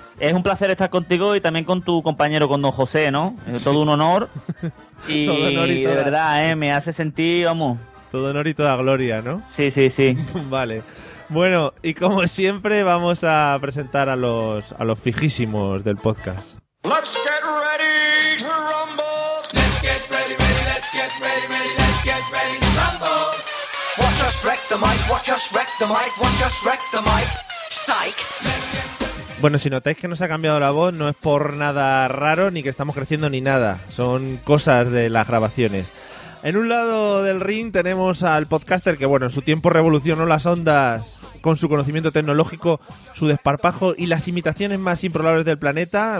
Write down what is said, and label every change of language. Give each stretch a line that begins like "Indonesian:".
Spanish: Es un placer estar contigo y también con tu compañero, con Don José, ¿no? Es sí. Todo un honor. Y, todo honor y de verdad, ¿eh? Me hace sentir, vamos. Todo honor y toda gloria, ¿no? Sí. Vale. Bueno, y como siempre, vamos a presentar a los fijísimos del podcast.
English: Let's get ready to rumble. Let's get ready, ready, let's get ready, ready, let's get ready to rumble. Watch us wreck the mic, watch us wreck the mic, watch us wreck the mic. Psych.
Spanish: Bueno, si notáis que nos ha cambiado la voz, no es por nada raro, ni que estamos creciendo ni nada. Son cosas de las grabaciones. En un lado del ring tenemos al podcaster que, bueno, en su tiempo revolucionó las ondas con su conocimiento tecnológico, su desparpajo y las imitaciones más improbables del planeta.